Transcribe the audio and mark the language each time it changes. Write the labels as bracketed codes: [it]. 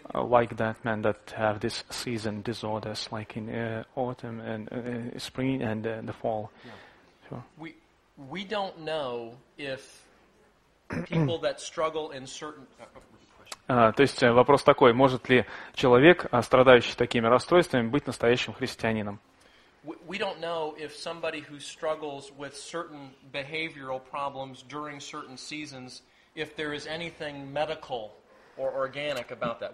[en] Like that man that have this season disorders, like in autumn and spring and the fall. Yeah. Sure. We don't know if people that struggle in certain... [ru] То есть вопрос такой, может ли человек, страдающий такими расстройствами, быть настоящим христианином? [en] We don't know if somebody who struggles with certain behavioral problems during certain seasons, if there is anything medical or organic about that.